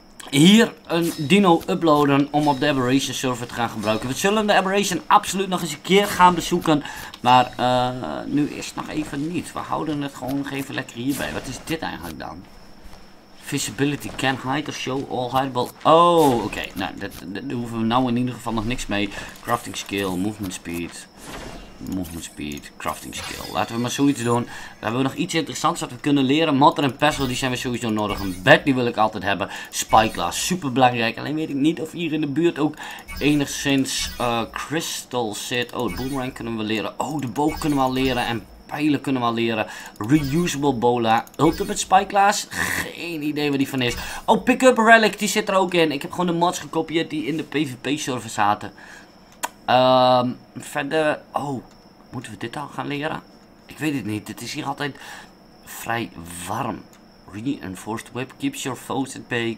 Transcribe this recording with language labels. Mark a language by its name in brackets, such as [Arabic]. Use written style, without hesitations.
[Dutch] Hier een dino uploaden om op de Aberration server te gaan gebruiken. We zullen de Aberration absoluut nog eens een keer gaan bezoeken. Maar nu is het nog even niet. We houden het gewoon nog even lekker hierbij. Wat is dit eigenlijk dan? [English] Visibility can hide or show all hideable. Oh, oké. [Dutch] Nou, daar hoeven we nou in ieder geval nog niks mee. [English] Crafting skill, movement speed. Movement speed, crafting skill. [Dutch] Laten we maar zoiets doen. We hebben nog iets interessants wat we kunnen leren. Motter en pestle, die zijn we sowieso nodig. Een bed, die wil ik altijd hebben. Spyglass, super belangrijk. Alleen weet ik niet of hier in de buurt ook enigszins crystal zit. Oh, de boomerang kunnen we leren. Oh, de boog kunnen we al leren. En pijlen kunnen we al leren. [English] Reusable bola. Ultimate spyglass. [Dutch] Geen idee wat die van is. Oh, pick-up relic, die zit er ook in. Ik heb gewoon de mods gekopieerd die in de PvP server zaten. Verder... Oh, moeten we dit al gaan leren? Ik weet het niet. Het is hier altijd vrij warm. [English] Reinforced whip keeps your foes at bay.